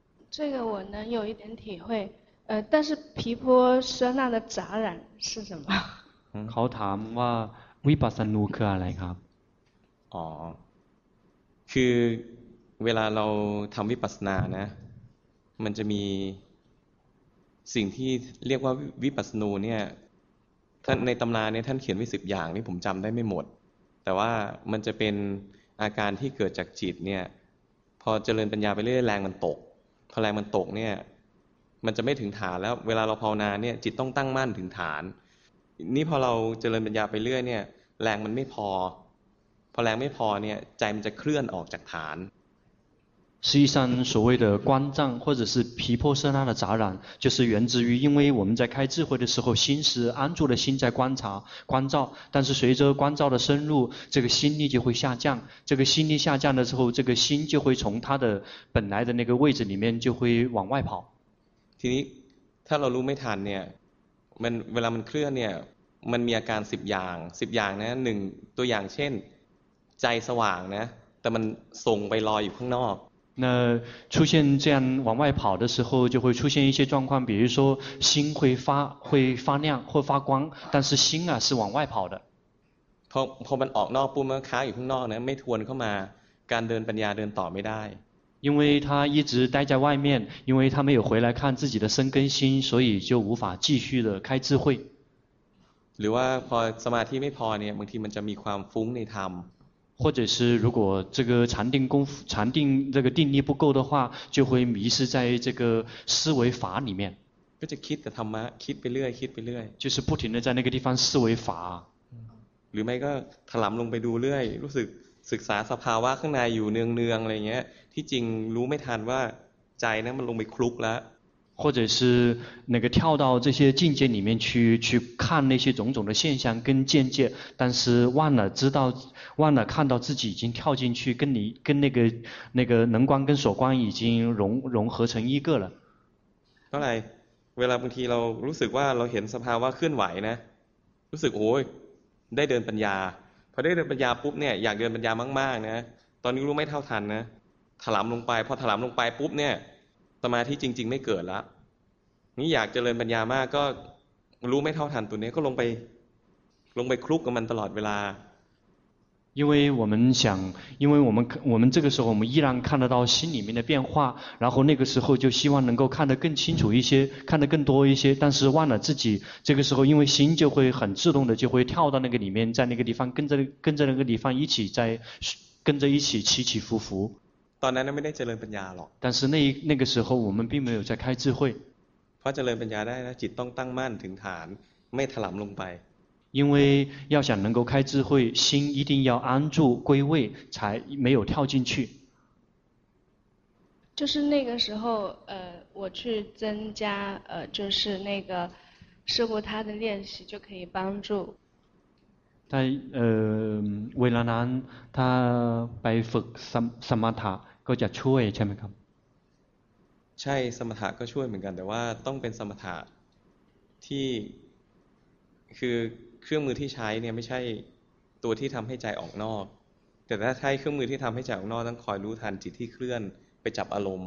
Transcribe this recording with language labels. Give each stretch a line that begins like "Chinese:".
Chinese: 这个我能有一点体会但是皮婆舍那的杂染是什么
Thai: เขาถามว่าวิปัสสนูคืออะไรครับ คือเวลาเราทำวิปัสสนานะมันจะมีสิ่งที่เรียกว่าวิปัสสนูเนี่ยท่านในตำราเนี่ยท่านเขียนไว้สิบอย่างนี่ผมจำได้ไม่หมดแต่ว่ามันจะเป็นอาการที่เกิดจากจิตเนี่ยพอเจริญปัญญาไปเรื่อยแรงมันตกพอแรงมันตกเนี่ย มันจะไม่ถึงฐานแล้วเวลาเราภาวนาเนี่ยจิตต้องตั้งมั่นถึงฐานนี่พอเราเจริญปัญญาไปเรื่อยเนี่ยแรงมันไม่พอแรงไม่พอเนี่ยใจมันจะเคลื่อนออกจากฐาน
Chinese: 实际上所谓的观障或者是皮婆舍那的杂染就是源自于因为我们在开智慧的时候心是安住的心在观察观照但是随着观照的深入这个心力就会下降这个心力下降的时候这个心就会从它的本来的那个位置里面就会往外跑
Thai: ทีนี้ถ้าเรารู้ไม่ทันเนี่ยมันเวลามันเคลื่อนเนี่ยมันมีอาการ10อย่าง10อย่างนะ1ตัวอย่างเช่นใจสว่างนะแต่มันส่งไปลอยอยู่ข้างนอก
Chinese: 那出现这样往外跑的时候就会出现一些状况比如说心会发亮或发光但是心啊是往外跑的
Thai: พอมันออกนอกปุ๊บมันค้างอยู่ข้างนอกนะไม่ทวนเข้ามาการเดินปัญญาเดินต่อไม่ได้
Chinese: 因为他一直待在外面因为他没有回来看自己的生根心所以就无法继续的开智慧
Thai: หรือว่าพอสมาธิไม่พอเนี่ยบางทีมันจะมีความฟุ้งในธรรม
Chinese: 或者是如果这个禅定功夫禅定这个定力不够的话就会迷失在这个思维法里面就是
Thai: คิดแต่ธรรมะคิดไปเรื่อยคิดไปเรื่อย
Chinese: 就是不停的在那个地方思维法
Thai: หรือไม่ก็ถลำลงไปดูเรื่อยรู้สึกศึกษาสภาวะข้างในอยู่เนืองๆอะไรเงี้ยที่จริงรู้ไม่ทันว่าใจนั้นมันลงไปคลุกแล้ว
Chinese: 或者是那个跳到这些境界里面去看那些种种的现象跟见解但是忘了看到自己已经跳进去跟那个能观跟所观已经融合成一个了当然
Thai: เวลาบางทีเรารู้สึกว่าเราเห็นสภาวะเคลื่อนไหวนะรู้สึกโอ้ยได้เดินปัญญาพอได้เดินปัญญาปุ๊บเนี่ยอยากเดินปัญญามากๆนะตอนนี้รู้ไม่เท่าทันนะถลำลงไปพอถลำลงไปปุ๊บเนี่ยสมาธิจริงๆไม่เกิดแล้วนี่อยากเจริญปัญญามากก็รู้ไม่เท่าทันตัวนี้ก็ลงไปคลุกกับมันตลอดเวลา
Chinese: 因为我们想，因为我们这个时候我们依然看得到心里面的变化，然后那个时候就希望能够看得更清楚一些，看得更多一些，但是忘了自己，这个时候因为心就会很自动的就会跳到那个里面，在那个地方跟着那个地方一起在跟着一起起起伏伏。
Thai: ตอนนั้นไม่ได้เจริญปัญญาหรอก。
Chinese: 但是那个时候我们并没有在开智慧。
Thai: เพราะเจริญปัญญาได้นะจิตต้องตั้งมั่นถึงฐานไม่ถลำลงไป。
Chinese: 因为要想能够开智慧，心一定要安住归位，才没有跳进去。就是那个时候，我去增加，就是那个师父他的练习就可以帮助。
Thai: 他เวลานั้น他ไปฝึกสมาธิก็จะช่วยใช่ไหมครับ？ ใช่สมาธิก็ช่วยเหมือนกันแต่ว่าต้องเป็นสมาธิที่คือเครื่องมือที่ใช้เนี่ยไม่ใช่ตัวที่ทำให้ใจออกนอกแต่ถ้าใช้เครื่องมือที่ทำให้ใจออกนอกต้องคอยรู้ทันจิตที่เคลื่อนไปจับอารมณ